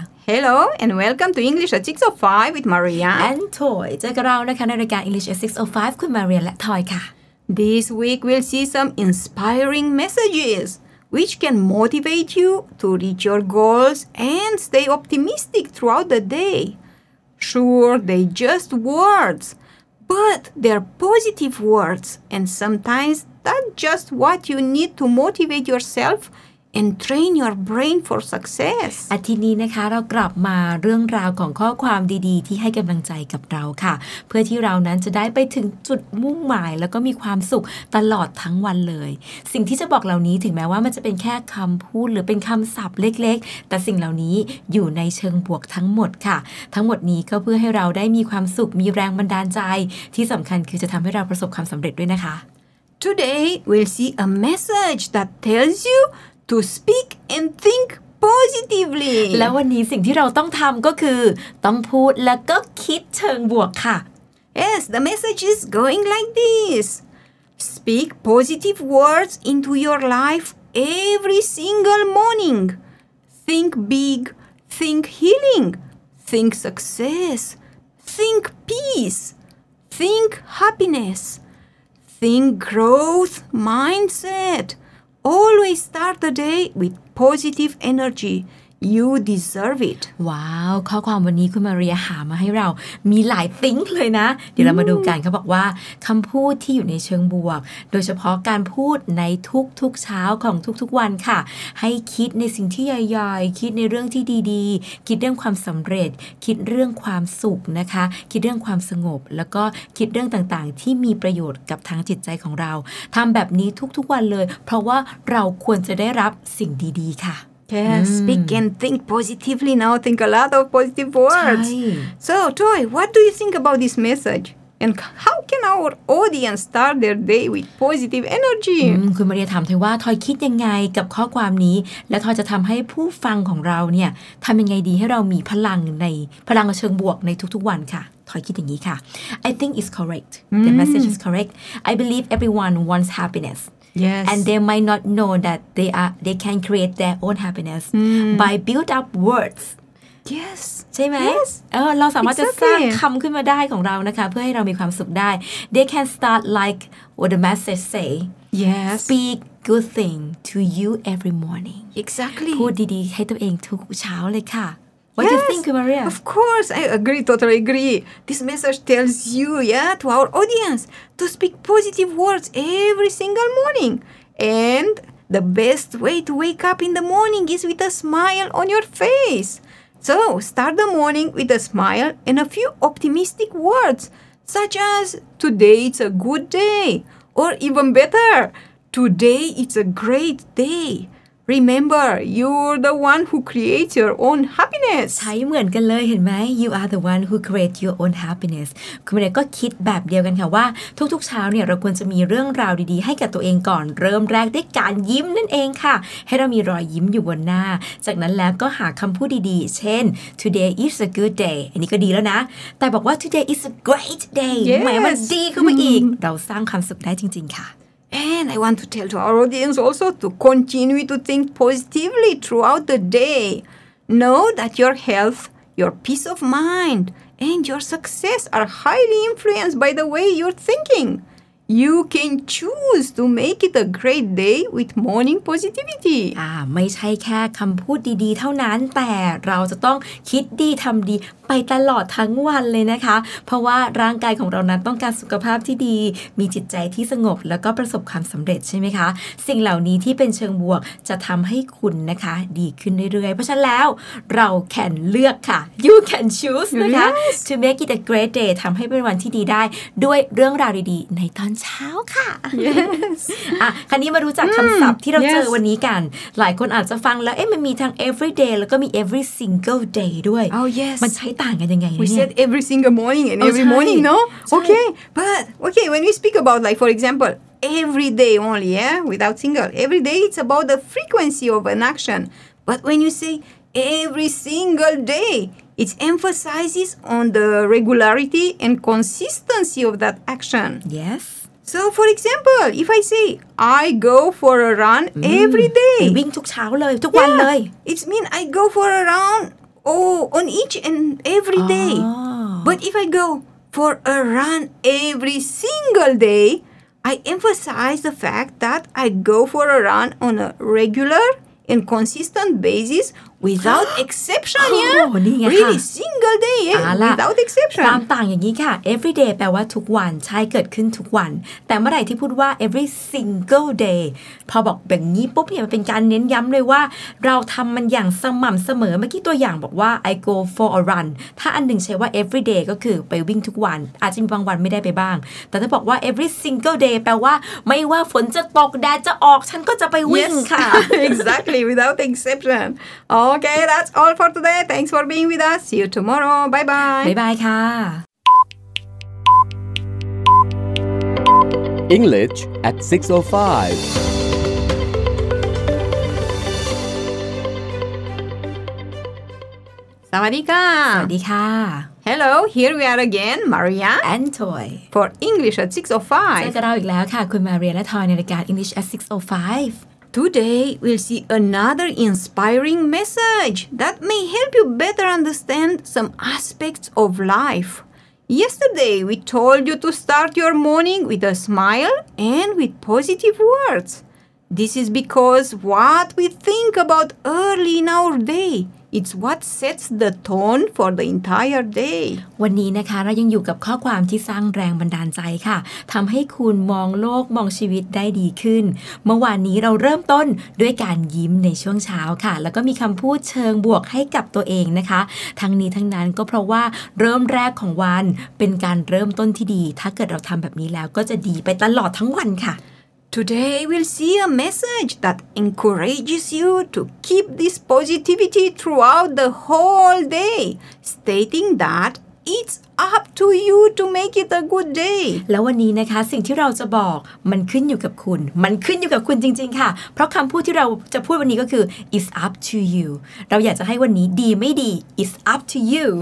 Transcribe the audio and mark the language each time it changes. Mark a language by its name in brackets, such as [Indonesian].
[English] Hello and welcome to English at 6:05 with Maria [Thai] and Toy. เจอกับเรานะคะในรายการ English at 6:05 คุณ Maria และ Toy ค่ะ [English] This week we'll see some inspiring messages. Which can motivate you to reach your goals and stay optimistic throughout the day. Sure, they just words, but they're positive words, and sometimes that's just what you need to motivate yourself and train your brain for success. [Thai] อาทิตย์นี้นะคะเรากลับมาเรื่องราวของข้อความดีๆที่ให้กำลังใจกับเราค่ะเพื่อที่เรานั้นจะได้ไปถึงจุดมุ่งหมายแล้วก็มีความสุขตลอดทั้งวันเลยสิ่งที่จะบอกเหล่านี้ถึงแม้ว่ามันจะเป็นแค่คำพูดหรือเป็นคำศัพท์เล็กๆแต่สิ่งเหล่านี้อยู่ในเชิงบวกทั้งหมดค่ะทั้งหมดนี้ก็เพื่อให้เราได้มีความสุขมีแรงบันดาลใจที่สำคัญคือจะทำให้เราประสบความสำเร็จด้วยนะคะ [English] Today we'll see a message that tells youTo speak and think positively. [Thai] แล้ววันนี้สิ่งที่เราต้องทำก็คือต้องพูดแล้วก็คิดเชิงบวกค่ะ [English] Yes, the message is going like this. Speak positive words into your life every single morning. Think big. Think healing. Think success. Think peace. Think happiness. Think growth mindset. Always start the day with positive energy. You deserve it. [Thai] ว้าวข้อความวันนี้คุณมาเรียหามาให้เรามีหลายติ้งเลยนะเดี๋ยวเรามาดูกันเขาบอกว่าคำพูดที่อยู่ในเชิงบวกโดยเฉพาะการพูดในทุกๆเช้าของทุกๆวันค่ะให้คิดในสิ่งที่ใหญ่ๆคิดในเรื่องที่ดีๆคิดเรื่องความสำเร็จคิดเรื่องความสุขนะคะคิดเรื่องความสงบแล้วก็คิดเรื่องต่างๆที่มีประโยชน์กับทางจิตใจของเราทำแบบนี้ทุกๆวันเลยเพราะว่าเราควรจะได้รับสิ่งดีๆค่ะ [English] Yes, speak and think positively now. Think a lot of positive words. So, Toy, what do you think about this message? And how can our audience start their day with positive energy? [Thai] คุณมาเรียถามทอยว่าทอยคิดยังไงกับข้อความนี้และทอยจะทำให้ผู้ฟังของเราเนี่ยทำยังไงดีให้เรามีพลังในพลังเชิงบวกในทุกๆวันค่ะทอยคิดอย่างนี้ค่ะ [English] I think it's correct. The message is correct. I believe everyone wants happiness. Yes. And they might not know that they can create their own happiness by build up words. Yes. [Thai] ใช่ไหม [English] Yes. [Thai] เราสามารถ จะสร้างคำขึ้นมาได้ของเรานะคะเพื่อให้เรามีความสุขได้ [English] They can start like what the message say. Yes. Speak good thing to you every morning. Exactly. [Thai] พูดดีๆให้ตัวเองทุกเช้าเลยค่ะ [English] What do you think, Maria? Of course, I agree, totally agree. This message tells you, yeah, to our audience, to speak positive words every single morning. And the best way to wake up in the morning is with a smile on your face. So, start the morning with a smile and a few optimistic words, such as, today it's a good day, or even better, today it's a great day. Remember, you're the one who creates your own happiness. [Thai] ใช่เหมือนกันเลยเห็นไหม [English] You are the one who creates your own happiness. [Thai] คุณเมย์ก็คิดแบบเดียวกันค่ะว่าทุกๆเช้าเนี่ยเราควรจะมีเรื่องราวดีๆให้กับตัวเองก่อนเริ่มแรกด้วยการยิ้มนั่นเองค่ะให้เรามีรอยยิ้มอยู่บนหน้าจากนั้นแล้วก็หาคำพูดดีๆเช่น [English] Today is a good day. [Thai] อันนี้ก็ดีแล้วนะแต่บอกว่า [English] Today is a great day. Yes. [Thai] หมายมันดีขึ้นมาอีกเราสร้างความสุขได้จริงๆค่ะ [English] And I want to tell to our audience also to continue to think positively throughout the day. Know that your health, your peace of mind, and your success are highly influenced by the way you're thinking. You can choose to make it a great day with morning positivity. [Thai] ไม่ใช่แค่คำพูดดีๆเท่านั้นแต่เราจะต้องคิดดีทำดีไปตลอดทั้งวันเลยนะคะเพราะว่าร่างกายของเรานั้นต้องการสุขภาพที่ดีมีจิตใจที่สงบแล้วก็ประสบความสำเร็จใช่ไหมคะสิ่งเหล่านี้ที่เป็นเชิงบวกจะทำให้คุณนะคะดีขึ้นเรื่อยๆเพราะฉะนั้นแล้วเราแข่งเลือกค่ะ [English] you can choose yes. [Thai] นะคะ [English] to make it a great day [Thai] ทำให้เป็นวันที่ดีได้ด้วยเรื่องราวดีๆในตอนเช้าค่ะ [English] yes. [Thai] อ่ะคราวนี้มารู้จักคำศัพท์ที่เรา [English] yes. [Thai] เจอวันนี้กันหลายคนอาจจะฟังแล้วเอ๊ะมันมีทั้ง every day แล้วก็มี every single day ด้วย [English] oh yes [Thai] มันใช้ต่างกันยังไงเนี่ ย [English] We said every single morning and every morning, no? Okay, but okay, when we speak about like, for example, every day only, yeah? Without single. Every day, it's about the frequency of an action. But when you say every single day, It emphasizes on the regularity and consistency of that action. Yes. So, for example, if I say, I go for a run every day. [Thai] วิ่งทุกเช้าเลย ทุกวันเลย [English] It means I go for a run on each and every day. But if I go for a run every single day, I emphasize the fact that I go for a run on a regular and consistent basis without exception. Really, single day, without exception. [Thai] ความต่างอย่างนี้ค่ะ every day แปลว่าทุกวันใช่เกิดขึ้นทุกวันแต่เมื่อไหร่ที่พูดว่า every single day พอบอกแบบนี้ปุ๊บเนี่ยมันเป็นการเน้นย้ำเลยว่าเราทำมันอย่างสม่ำเสมอเมื่อกี้ตัวอย่างบอกว่า [English] I go for a run [Thai] ถ้าอันหนึ่งใช้ว่า every day ก็คือไปวิ่งทุกวันอาจจะมีบางวันไม่ได้ไปบ้างแต่ถ้าบอกว่า every single day แปลว่าไม่ว่าฝนจะตกแดดจะออกฉันก็จะไปวิ่งค่ะ [English] exactly without exception Okay, that's all for today. Thanks for being with us. See you tomorrow. Bye-bye. Bye-bye, ka. English at 6:05. [Thai] Sawadika. Sawadika. [English] Hello, here we are again, Maria and Toy for English at 6:05. เจอกันแล้วอีกแล้วค่ะคุณมาเรียและทอยในรายการ English at 6:05. Today, we'll see another inspiring message that may help you better understand some aspects of life. Yesterday, we told you to start your morning with a smile and with positive words. This is because what we think about early in our day, it's what sets the tone for the entire day. [Thai] วันนี้นะคะเรายังอยู่กับข้อความที่สร้างแรงบันดาลใจค่ะทำให้คุณมองโลกมองชีวิตได้ดีขึ้นเมื่อวานนี้เราเริ่มต้นด้วยการยิ้มในช่วงเช้าค่ะแล้วก็มีคำพูดเชิงบวกให้กับตัวเองนะคะทั้งนี้ทั้งนั้นก็เพราะว่าเริ่มแรกของวันเป็นการเริ่มต้นที่ดีถ้าเกิดเราทำแบบนี้แล้วก็จะดีไปตลอดทั้งวันค่ะ [English] Today, we'll see a message that encourages you to keep this positivity throughout the whole day, stating that it's up to you to make it a good day. [Thai] แล้ววันนี้นะคะสิ่งที่เราจะบอกมันขึ้นอยู่กับคุณมันขึ้นอยู่กับคุณจริงๆค่ะเพราะคำพูดที่เราจะพูดวันนี้ก็คือ [English] it's up to you. [Thai] เราอยากจะให้วันนี้ดีไม่ดี [English] it's up to you.